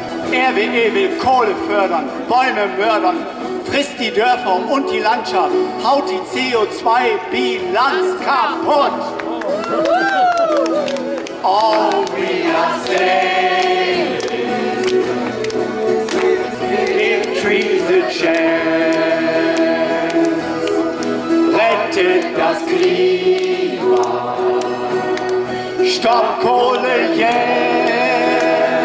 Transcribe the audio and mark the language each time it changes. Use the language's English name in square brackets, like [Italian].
[German] RWE will Kohle fördern, Bäume mördern, frisst die Dörfer und die Landschaft, haut die CO2-Bilanz kaputt. [English] All we are saying is give trees a chance. [German] Rettet das Klima, stopp Kohle jetzt.